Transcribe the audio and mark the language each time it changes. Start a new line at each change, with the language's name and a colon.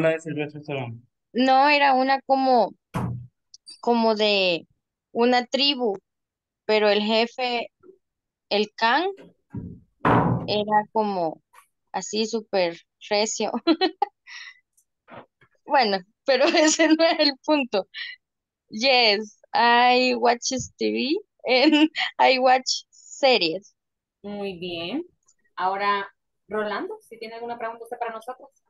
Spanish: la de Silvestre Stallone. No, era una como de una tribu, pero el jefe, el Khan, era como así súper recio. Bueno, pero ese no es el punto.
English: Yes, I watch TV and I watch series.
Spanish: Muy bien. Ahora, Rolando, si tiene alguna pregunta usted para nosotros.